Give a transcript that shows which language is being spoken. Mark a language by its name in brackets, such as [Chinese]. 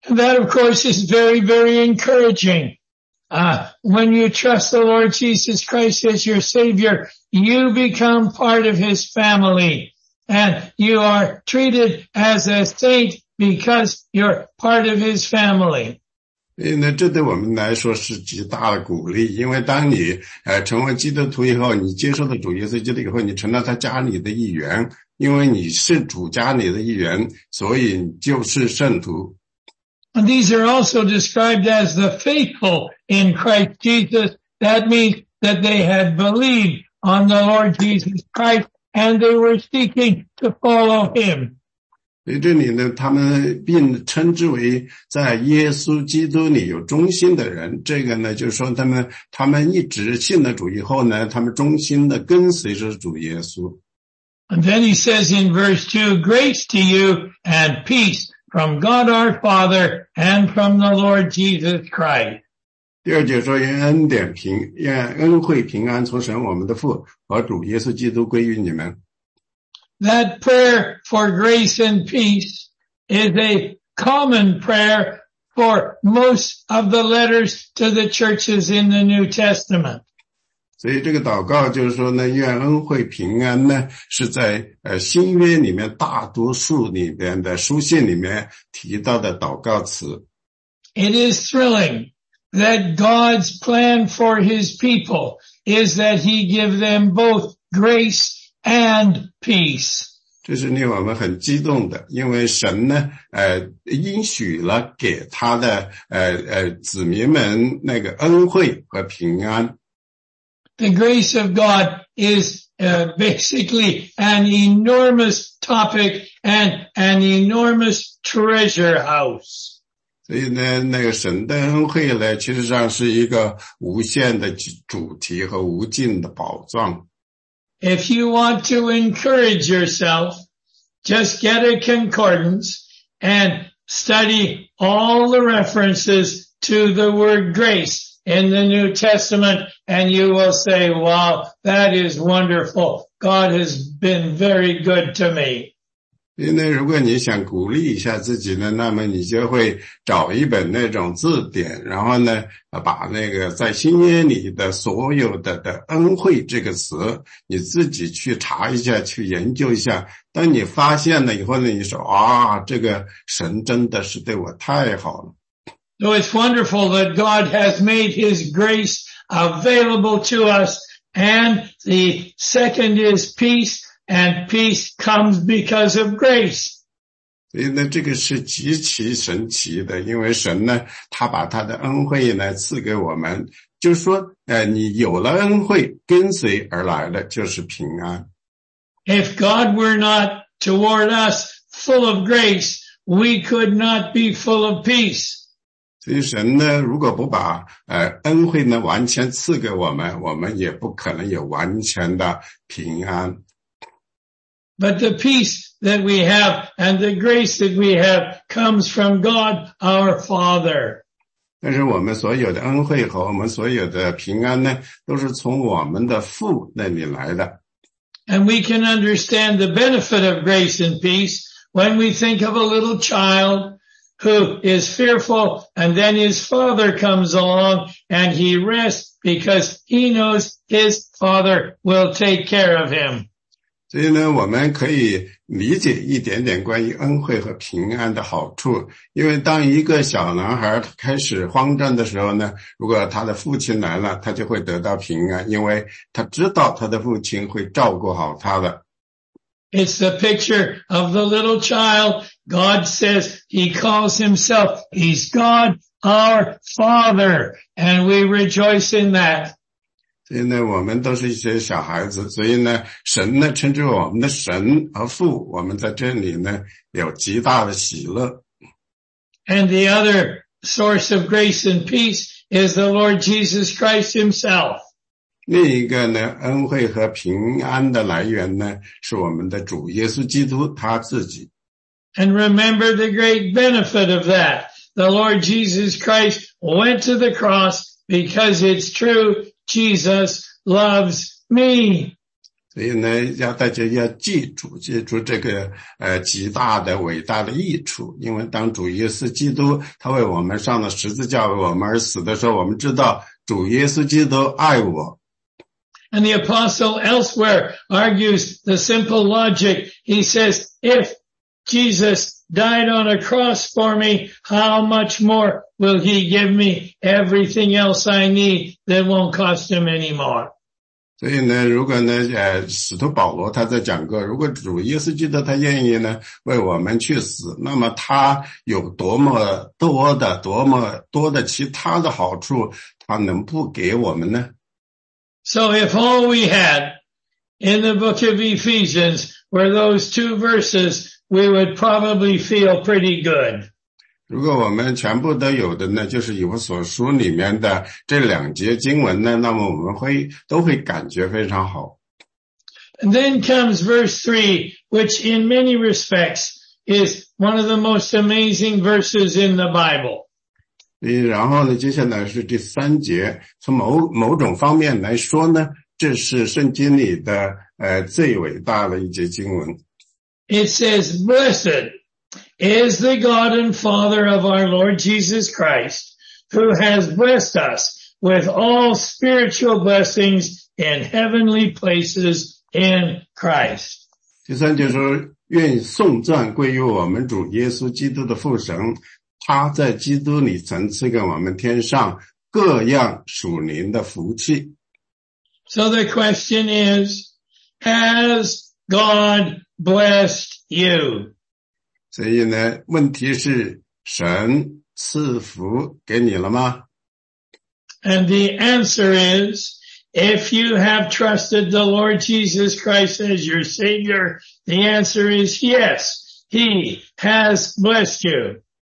[English] That, of course, is very, very encouraging. When you trust the Lord Jesus Christ as your Savior, you become part of His family. And you are treated as a saint because you're part of His family. [Chinese] 因为这对我们来说是极大的鼓励，因为当你成为基督徒以后，你接受了主耶稣基督以后，你成了他家里的一员，因为你是主家里的一员，所以就是圣徒。 [English] And these are also described as the faithful in Christ Jesus. That means that they had believed on the Lord Jesus Christ and they were seeking to follow him. [Chinese] 所以这里呢，他们并称之为在耶稣基督里有忠心的人。这个呢，就是说他们一直信了主以后呢，他们忠心的跟随着主耶稣。 [English] And then he says in verse 2, grace to you and peace from God our Father and from the Lord Jesus Christ. [Chinese] 第二节说，愿恩典平，愿恩惠平安从神我们的父和主耶稣基督归于你们。 [English] That prayer for grace and peace is a common prayer for most of the letters to the churches in the New Testament. [Chinese] 所以这个祷告就是说呢，愿恩惠平安呢，是在新约里面大多数里面的书信里面提到的祷告词。 [English] It is thrilling that God's plan for His people is that He give them both grace and peace. [Chinese] 这是令我们很激动的，因为神呢应许了给他的子民们那个恩惠和平安。 [English] The grace of God is basically an enormous topic and an enormous treasure house. [Chinese] 所以呢那个神的恩惠呢其实上是一个无限的主题和无尽的宝藏。 [English] If you want to encourage yourself, just get a concordance and study all the references to the word grace in the New Testament, and you will say, wow, that is wonderful. God has been very good to me. [Chinese] 因为如果你想鼓励一下自己呢，那么你就会找一本那种字典，然后呢把那个在新约里的所有的恩惠这个词你自己去查一下，去研究一下，当你发现了以后呢，你说啊，这个神真的是对我太好了。 [English] So it's wonderful that God has made His grace available to us, and the second is peace. And peace comes because of grace. [Chinese] 所以呢，这个是极其神奇的，因为神呢，他把他的恩惠呢赐给我们，就是说，你有了恩惠，跟随而来的就是平安。 [English] If God were not toward us full of grace, we could not be full of peace. [Chinese] 所以神呢，如果不把恩惠呢完全赐给我们，我们也不可能有完全的平安。 [English] But the peace that we have and the grace that we have comes from God our Father. [Chinese] 但是我们所有的恩惠和我们所有的平安呢，都是从我们的父那里来的。 [English] And we can understand the benefit of grace and peace when we think of a little child who is fearful and then his father comes along and he rests because he knows his father will take care of him. [Chinese] 所以呢，我们可以理解一点点关于恩惠和平安的好处。因为当一个小男孩开始慌张的时候呢，如果他的父亲来了，他就会得到平安，因为他知道他的父亲会照顾好他的。 [English] It's the picture of the little child. God says he calls himself, he's God, our Father. And we rejoice in that. [Chinese] 所以呢我们都是一些小孩子，所以呢神呢称之为我们的神和父，我们在这里呢有极大的喜乐。 [English] And the other source of grace and peace is the Lord Jesus Christ himself. [Chinese] 另一个呢恩惠和平安的来源呢是我们的主耶稣基督他自己。 [English] And remember the great benefit of that. The Lord Jesus Christ went to the cross because it's true. Jesus loves me. [Chinese] 所以呢要大家要记住记住这个极大的伟大的益处，因为当主耶稣基督他为我们上了十字架为我们而死的时候，我们知道主耶稣基督爱我。 [English] And the apostle elsewhere argues the simple logic. He says, if Jesus died on a cross for me, how much moreWill he give me everything else I need that won't cost him anymore? [Chinese] 所以呢，如果呢，使徒保罗他在讲过，如果主耶稣基督他愿意呢为我们去死，那么他有多么多的、多么多的其他的好处，他能不给我们呢 [English] ？So if all we had in the book of Ephesians were those two verses, we would probably feel pretty good. [Chinese] 如果我们全部都有的呢，就是以弗所书里面的这两节经文呢，那么我们会都会感觉非常好。 [English] And then comes verse 3, which in many respects is one of the most amazing verses in the Bible. [Chinese] 然后呢，接下来是第三节，从某种方面来说呢，这是圣经里的最伟大的一节经文。 [English] It says, blessed. Is the God and Father of our Lord Jesus Christ, who has blessed us with all spiritual blessings in heavenly places in Christ. [Chinese] 第三节说，愿颂赞归于我们主耶稣基督的父神，他在基督里曾赐给我们天上各样属灵的福气。 [English] So the question is, has God blessed you? [Chinese] 所以呢问题是神赐福给你了吗 [English] ?And the answer is, if you have trusted the Lord Jesus Christ as your Savior, the answer is yes, He has blessed you.